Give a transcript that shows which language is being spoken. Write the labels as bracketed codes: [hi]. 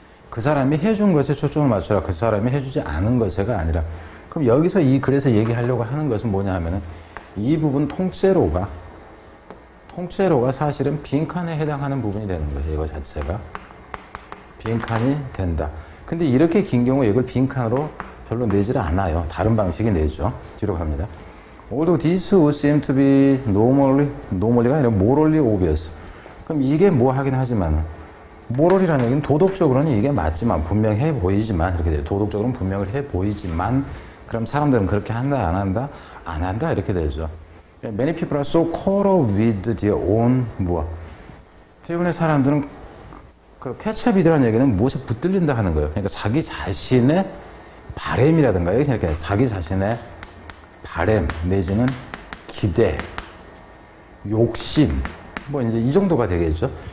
[ko] 그 사람이 해준 것에 초점을 맞춰라. 그 사람이 해주지 않은 것에가 아니라 그럼 여기서 이 글에서 얘기하려고 하는 것은 뭐냐 하면은 이 부분 통째로가 사실은 빈칸에 해당하는 부분이 되는 거예요. 이거 자체가 빈칸이 된다. 근데 이렇게 긴 경우 이걸 빈칸으로 별로 내질 않아요. 다른 방식이 내죠. 뒤로 갑니다. [en] Although this would seem to be normally [ko] 가 아니라 [en] morally obvious. [ko] 그럼 이게 뭐 하긴 하지만 morally라는 얘기는 도덕적으로는 이게 맞지만 분명해 보이지만 이렇게 돼요. 도덕적으로는 분명을 해 보이지만 그럼 사람들은 그렇게 한다 안 한다? 안 한다 이렇게 되죠. [en] Many people are so caught up with their own [ko] 무엇? 대부분의 사람들은 그 캐치업이라는 얘기는 무엇에 붙들린다 하는 거예요. 그러니까 자기 자신의 바램이라든가 이렇게 자기 자신의 바램 내지는 기대 욕심 뭐 이제 이 정도가 되겠죠.